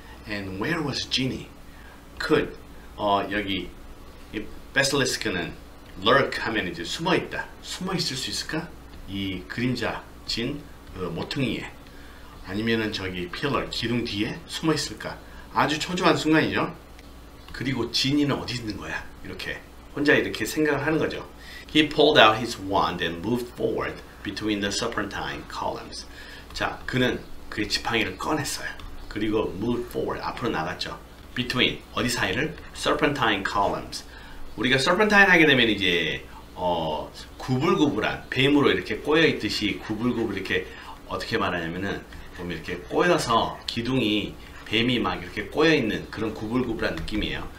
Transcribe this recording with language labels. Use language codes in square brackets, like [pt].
[en] And where was Ginny? Could [ko] 여기 이 basilisk는 lurk 하면 이제 숨어 있다. 숨어 있을 수 있을까? 이 그림자 진 모퉁이에 아니면은 저기 pillar 기둥 뒤에 숨어 있을까? 아주 초조한 순간이죠. 그리고 지니는 어디 있는 거야? 이렇게 혼자 이렇게 생각을 하는 거죠. [en] He pulled out his wand and moved forward between the serpentine columns. [ko] 자, 그는 그의 지팡이를 꺼냈어요. 그리고 [en] moved forward, [ko] 앞으로 나갔죠. [en] Between, [ko] 어디 사이를? [en] Serpentine columns. [ko] 우리가 serpentine 하게 되면 이제 구불구불한, 뱀으로 이렇게 꼬여있듯이 구불구불 이렇게 어떻게 말하냐면은 보면 이렇게 꼬여서 기둥이 뱀이 막 이렇게 꼬여있는 그런 구불구불한 느낌이에요.